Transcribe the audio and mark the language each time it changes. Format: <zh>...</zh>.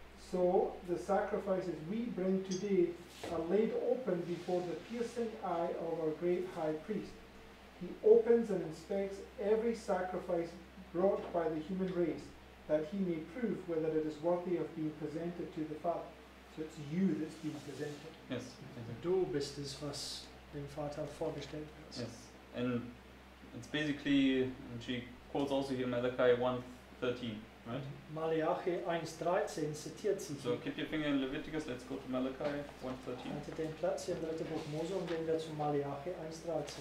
<en>So the sacrifices we bring today are laid open before the piercing eye of our great high priest. He opens and inspects every sacrifice brought by the human race, that he may prove whether it is worthy of being presented to the Father. So it's you that's being presented. Yes.</en> <de>Du bist es, was dem Vater vorgestellt wird.</de> <en>Yes. And it's basically, and she quotes also here Malachi 1:13. Right.</en> <de>Malachi 1:13 zitiert sie.</de> <en>So keep your finger in Leviticus, let's go to Malachi 1:13.</en> <de>Haltet den Platz hier im 3. Buch Mose und gehen wir zu Malachi 1:13.</de>